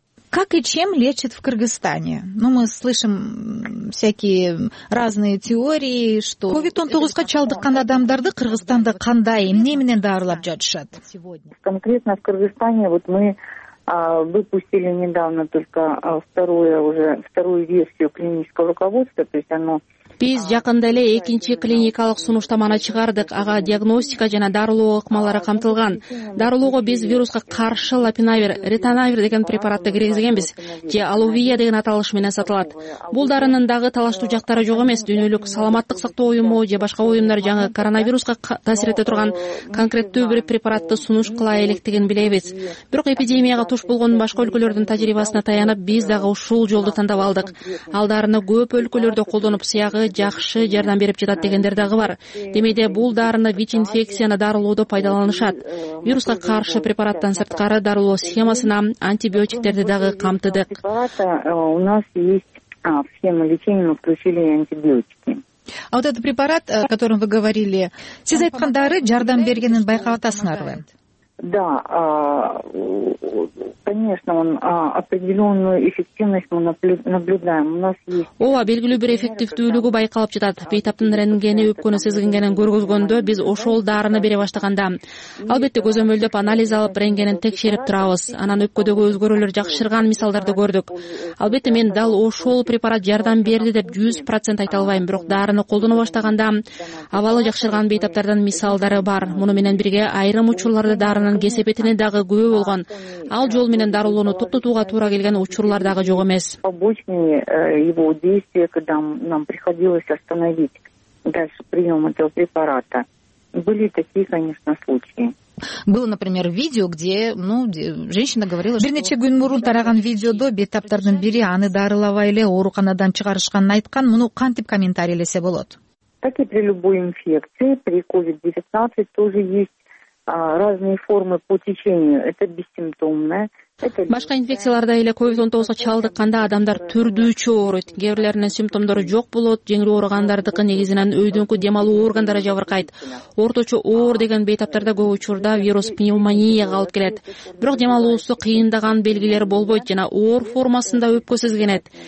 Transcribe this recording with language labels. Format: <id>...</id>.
<ru>Как и чем лечат в Кыргызстане? Ну, мы слышим всякие разные теории, что...</ru> <ky>COVID-19-ка чалдыккан адамдарды Кыргызстанда кандай, эмне менен дарылап жатышат?</ky> <ru>Конкретно в Кыргызстане вот мы выпустили недавно только вторую версию клинического руководства, то есть оно...</ru> <ky>Биз жакында эле экинчи клиникалык сунуштаманы чыгардык. Ага диагностика жана дарылоо ыкмалары камтылган. Дарылоого биз вируска каршы лапинавир, ретанавир деген препаратты киргизгенбиз же алувия деген аталыш менен сатылат. Бул дарынын дагы талаштуу жактары жок эмес. Дүйнөлүк саламаттык сактоо уюму же башка уюмдар жаңы коронавируска таасир эте турган конкреттүү бир препаратты сунуш кыла электигин билебиз. Бирок эпидемияга туш болгон башка өлкөлөрдүн тажрыйбасына таянып, биз дагы ушул жолду тандап алдык. Ал дарыны көп өлкөлөрдө колдонуп жакшы жардам берип жатат дегендер дагы бар. Демейде бул дарыны вич инфекцияны дарылоодо пайдаланышат. Вируска каршы препараттан сырткары дарылоо схемасына антибиотиктерди дагы камтыдык.</ky> <ru>У нас есть в схему лечения, мы включили антибиотики. А вот этот препарат, о котором вы говорили,</ru> <ky>сиз айткан дары жардам бергенин байкап атасыңарбы?</ky> <ru>Да, конечно, он определенную эффективность мы наблюдаем. У нас есть.</ru> <ky>Ооба, белгилүү бир эффективдүүлүгү байкалып жатат. Бейтаптын рентгени өпкөнү сезгенгенин көргөзгөндө биз ошол дарыны бере баштаганда, албетте көзөмөлдөп анализ алып рентгенин текшерип турабыз. Анан өпкөдөгү өзгөрүүлөр жакшырган мисалдарды көрдүк. Албетте мен дал ошол препарат жардам берди деп 100% айта албайм, бирок дарыны колдоно баштаганда абалы жакшырган бейтаптардын мисалдары бар. Муну менен бирге айрым учурларда дары кесепетине дагы күбө болгон. Ал жол менен дарылоону токтотууга туура келген учурлар дагы жок эмес.</ky> <ru>Побочные его действия, когда нам приходилось остановить дальше прием этого препарата, были такие, конечно, случаи. Было, например, видео, где, ну, женщина говорила, что...</ru> <ky>Бир нече күн мурун тараган видеодо бейтаптардын бири аны дарылабай эле ооруканадан чыгарышканын айткан. Муну кантип комментарийлесе болот?</ky> <ru>Так и при любой инфекции, при COVID-19 тоже есть разные формы по течению. Это бессимптомное.</ru> <ky>Башка инфекцияларда эле COVID-19 чалдыкканда адамдар түрдүүчө ооруйт. Кээ бирлеринин симптомдору жок болот, жеңил ооругандардыкы негизинен өйдөнкү дем алуу органдары жабыркайт. Орточо оор деген бейтаптарда көп учурда вирус пневмонияга алып келет. Бирок дем алуусу кыйындаган белгилер болбойт жана оор формасында өпкө сезгенет.</ky>